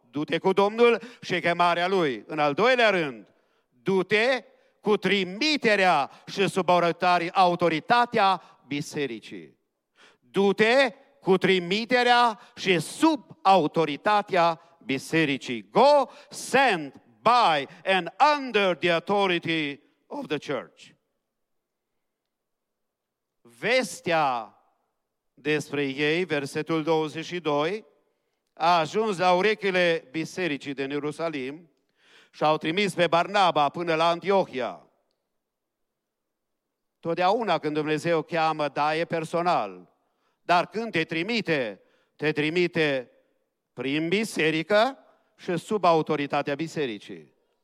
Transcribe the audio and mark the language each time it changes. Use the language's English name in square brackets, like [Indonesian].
[Romanian] Du-te cu Domnul și chemarea Lui. În al doilea rând, du-te cu trimiterea și subordonarea autoritatea bisericii. Du-te cu trimiterea și sub autoritatea bisericii. [English] Go, send by and under the authority of the church. [Romanian] Vestea despre ei, versetul 22, a ajuns la urechile bisericii din Ierusalim și au trimis pe Barnaba până la Antiohia. Totdeauna când Dumnezeu cheamă, da, e personal. Dar când te trimite, te trimite prin biserică și sub autoritatea bisericii.